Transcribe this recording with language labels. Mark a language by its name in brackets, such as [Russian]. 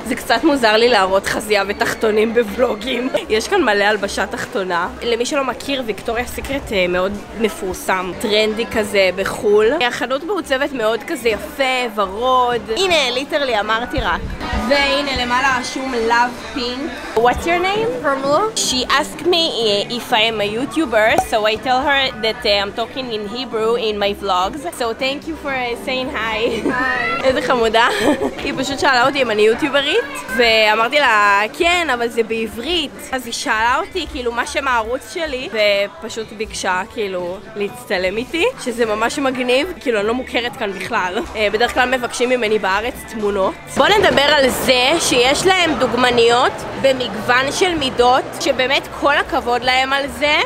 [Hebrew] זה קצת מוזר לי להראות חזייה ותחתונים בבלוגים. יש כאן מלא הלבשה תחתונה. למי שלא מכיר, ויקטוריה סיקרט מאוד מפורסם. טרנדי כזה בחול. החנות מעוצבת מאוד כזה יפה, ורוד. הנה, ליטרלי, אמרתי רק. והנה, למעלה רשום Love Pink. [English] What's your name? Romulo. She asked me if I am a YouTuber, so I tell her that I'm talking in Hebrew in my vlogs. So thank you for saying hi. [Hebrew] איזה חמודה. היא פשוט שאלה אותי אם אני יוטיוברית, ואמרתי לה, כן, אבל זה בעברית. אז היא שאלה אותי, כאילו, מה שם הערוץ שלי, ופשוט ביקשה, כאילו, להצטלם איתי, שזה ממש מגניב, כאילו, אני לא מוכרת כאן בכלל. בדרך כלל מבקשים ממני בארץ תמונות. בואו נדבר על זה שיש להם דוגמניות במגוון של מידות, שבאמת כל הכבוד להם על זה.